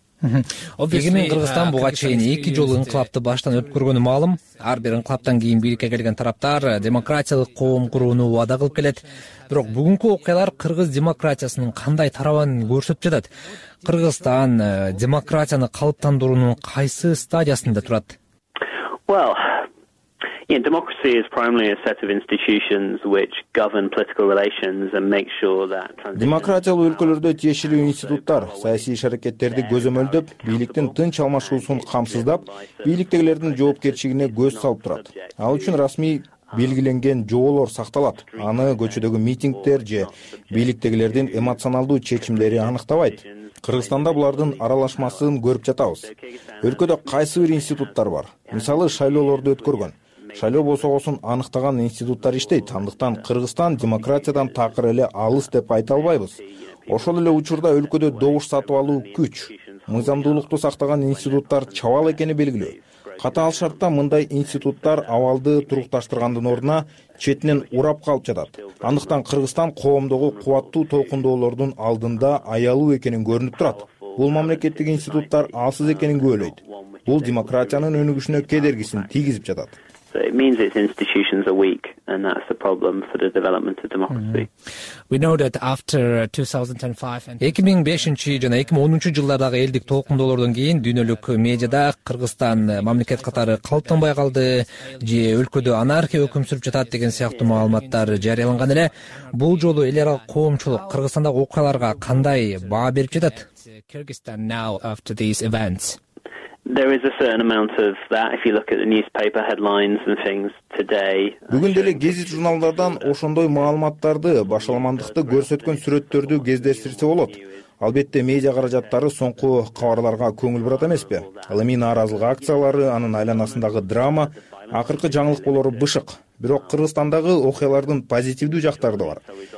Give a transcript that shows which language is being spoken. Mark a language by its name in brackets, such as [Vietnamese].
[Kyrgyz] Эгемен Кыргызстан буга чейин эки жолу инкылапты баштан өткөргөнү маалым. Ар бир инкылаптан кийин бийликке келген тараптар демократиялык коом курууну убада кылып келет. Бирок бүгүнкү окуялар кыргыз демократиясынын кандай тарабын көрсөтүп жатат? Кыргызстан демократияны калыптандыруунун кайсы стадиясында турат? [English] Well, yeah, democracy is primarily a set of institutions which govern political relations and make sure that [Kyrgyz] демократиялык өлкөлөрдө тиешелүү институттар саясий иш-аракеттерди көзөмөлдөп, бийликтин тынч алмашуусун камсыздап, бийликтегилердин жоопкерчилигине көз салып турат. Ал үчүн расмий белгиленген жоолор сакталат. Аны көчөдөгү митингдер же бийликтегилердин эмоционалдуу чечимдери аныктабайт. Кыргызстанда булардын аралашмасын көрүп жатабыз. Өлкөдө кайсы бир институттар бар? Мисалы, шайлоолорду өткөргөн шайлоо босогосун аныктаган институттар иштейт. Андыктан Кыргызстан демократиядан такыр эле алыс деп айта албайбыз. Ошол эле учурда өлкөдө добуш сатып алуу күч, мыйзамдуулукту сактаган институттар чабал экени белгилүү. Катаал шартта мындай институттар абалды турукташтыргандын ордуна четинен урап калып жатат. Андыктан Кыргызстан коомдогу кубаттуу толкундоолордун алдында аялуу экенин көрүнүп турат. Бул мамлекеттик институттар алсыз экенин күбөлөйт. Бул демократиянын өнүгүшүнө кедергисин тийгизип жатат. [English] It means its institutions are weak, and that's the problem for the development of democracy. We know that after 2005 [Kyrgyz] 2005-чи жана 2010-чу жылдардагы элдик толкундоолордон кийин дүйнөлүк медиада Кыргызстан мамлекет катары калыптанбай калды же өлкөдө анархия өкүм сүрүп жатат деген сыяктуу маалыматтар жарыяланган эле. Бул жолу эл аралык коомчулук Кыргызстандагы окуяларга кандай баа берип жатат? [English] Kyrgyzstan now after these events. There is a certain amount of that if you look at the newspaper headlines and things today. [Kyrgyz] Бүгүн деле газет журналдардан ошондой маалыматтарды, башаламандыкты көрсөткөн сүрөттөрдү кездештирсе болот. Албетте, медиа каражаттары соңку кабарларга көңүл бурат эмеспи? Ал эми нааразылык акциялары, анын айланасындагы драма, акыркы жаңылык болору бышык. Бирок Кыргызстандагы окуялардын позитивдүү жактары да бар.